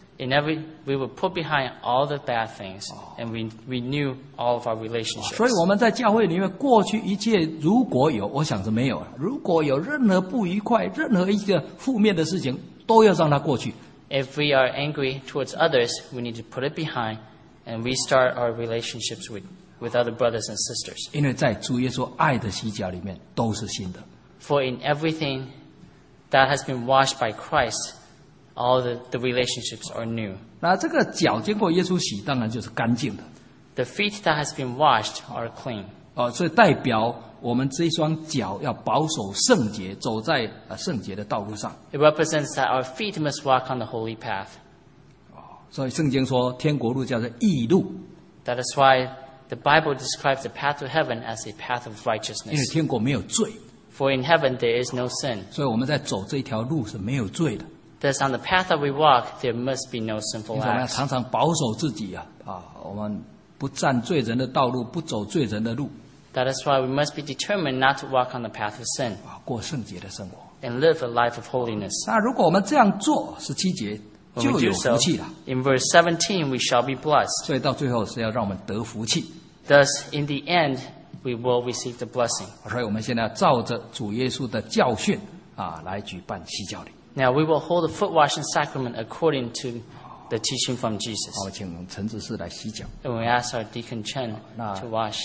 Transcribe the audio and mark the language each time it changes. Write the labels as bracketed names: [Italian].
[English] In every, we will put behind all the bad things and we renew all of our relationships. [Chinese] 所以我们在教会里面，过去一切如果有，我想是没有。如果有任何不愉快，任何一个负面的事情，都要让它过去。 [English] If we are angry towards others, we need to put it behind. And restart our relationships with other brothers and sisters. [Chinese] 因为在主耶稣爱的洗脚里面都是新的。 [English] For in everything that has been washed by Christ, all the relationships are new. [Chinese] 那这个脚经过耶稣洗，当然就是干净的。 [English] The feet that has been washed are clean. [Chinese] 哦，所以代表我们这双脚要保守圣洁，走在圣洁的道路上。 [English] It represents that our feet must walk on the holy path. [Chinese] 哦，所以圣经说天国路叫做义路。 [English] That is why the Bible describes the path to heaven as a path of righteousness. [Chinese] 因为天国没有罪。 [English] For in heaven there is no sin. [Chinese] 所以我们在走这条路是没有罪的。 [English] Thus, on the path that we walk, there must be no sinful acts. [Chinese] 因为我们常常保守自己啊，我们不占罪人的道路，不走罪人的路。 [English] That is why we must be determined not to walk on the path of sin. [Chinese] 啊，过圣洁的生活。 [English] And live a life of holiness. [Chinese] 那如果我们这样做，十七节就有福气了。 [English] In verse 17, we shall be blessed. [Chinese] 所以到最后是要让我们得福气。 [English] Thus, in the end, we will receive the blessing. [Chinese] 所以我们现在照着主耶稣的教训啊，来举办洗脚礼。 [English] Now we will hold the foot washing sacrament according to the teaching from Jesus. [Chinese] 好，请陈执事来洗脚。 [English] And we ask our Deacon Chen to wash.